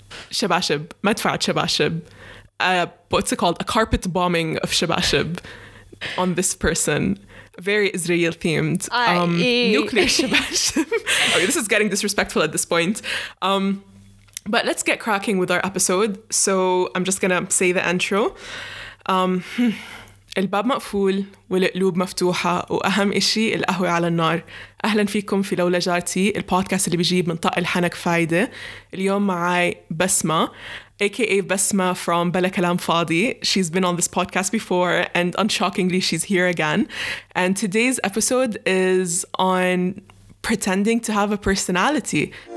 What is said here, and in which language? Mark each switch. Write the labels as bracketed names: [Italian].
[English] Shabashib. Matfa'at Shabashib. What's it called? A carpet bombing of Shabashib on this person. Very Israel themed. Nuclear Shabashib. Okay, this is getting disrespectful at this point. But let's get cracking with our episode. So I'm just going to say the intro. [Arabic] الباب مقفول والقلوب مفتوحة وأهم إشي القهوة على النار. أهلا فيكم في لولا جارتي, البودكاست اللي بيجيب من طق الحنك فايدة. اليوم معاي بسمة, aka Basma from Bella Kalam Fadi. [English] She's been on this podcast before, and unshockingly, she's here again. And today's episode is on pretending to have a personality.